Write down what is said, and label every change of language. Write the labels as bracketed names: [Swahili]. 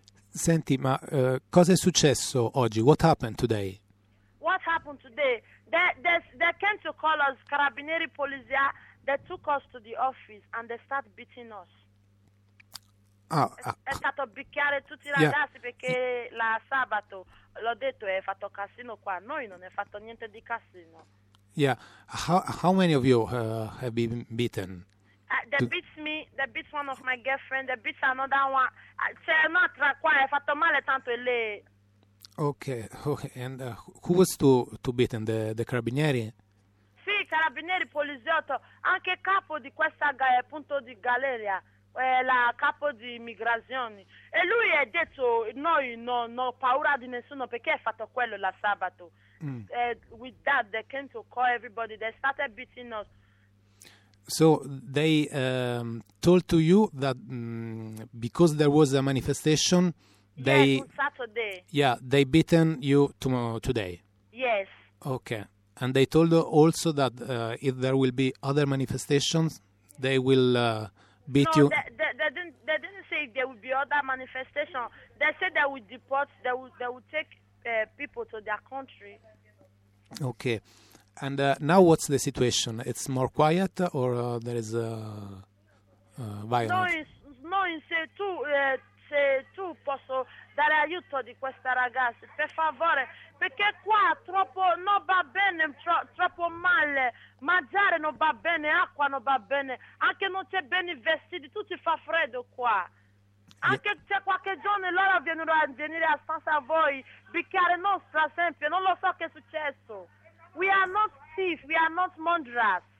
[Italian] Senti, ma cosa è successo oggi? [English] What happened today? What happened today? They came to call us, Carabinieri Polizia. They took us to the office and they start beating us. Ah, [Italian] è stato picchiare tutti i ragazzi, yeah. Perché la sabato l'ho detto, è fatto casino qua. Noi non è fatto niente di casino. [English] Yeah, how many of you have been beaten? They beat me. They beat one of my girlfriend. They beat another one. [Italian] C'è un'altra qua. [English] È fatto male tanto e lei. Okay. And who was to beaten? The carabinieri? [Italian] Sì, carabinieri, poliziotto. Anche capo di questa punto di galleria. La capo di immigrazioni. E lui ha detto, noi non ho paura di nessuno perché ha fatto quello la sabato. Mm. [English] With that, they came to call everybody. They started beating us. So they told to you that because there was a manifestation, they... Yes, on Saturday. Yeah, they beaten you today. Yes. Okay. And they told also that if there will be other manifestations, they will... beat no, you. They didn't say there would be other manifestation. They said they would deport, they would take people to their country. Okay. And now what's the situation? It's more quiet or there is violence? [Italian] No, in se tu posso dare aiuto di questa ragazza, per favore, perché qua troppo non va bene, troppo male. Mangiare non va bene, acqua non va bene, anche non c'è bene i vestiti, tutti fa freddo qua. Anche c'è qualche giorno loro vengono a venire a stanza a voi, bicchiare nostra sempre, non lo so che è successo. [English] We are not thieves, we are not murderers.